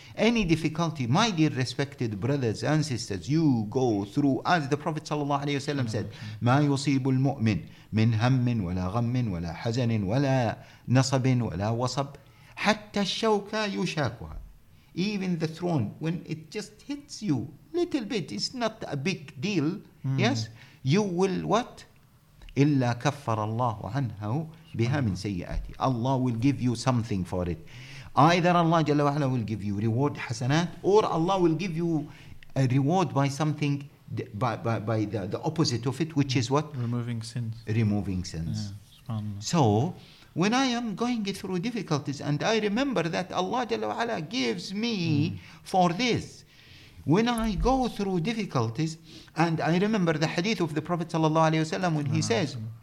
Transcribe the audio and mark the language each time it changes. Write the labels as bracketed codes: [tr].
[en] Any difficulty, my dear respected brothers and sisters, you go through, as the Prophet sallallahu alaihi wasallam said, [ar] ما يصيب المؤمن من هم ولا غم ولا حزن ولا نصب ولا وصب حتى الشوكة يشاكها. [en] Even the throne, when it just hits you a little bit, it's not a big deal. Yes, you will what? [ar] إلا كفر الله عنها بها من سيئاته. [en] Allah will give you something for it. Either Allah Jalla wa'ala will give you reward hasanat, or Allah will give you a reward by something by the opposite of it, which is what? Removing sins. So when I am going through difficulties and I remember that Allah Jalla wa'ala gives me for this, when I go through difficulties and I remember the hadith of the Prophet sallallahu alaihi wasallam when he says,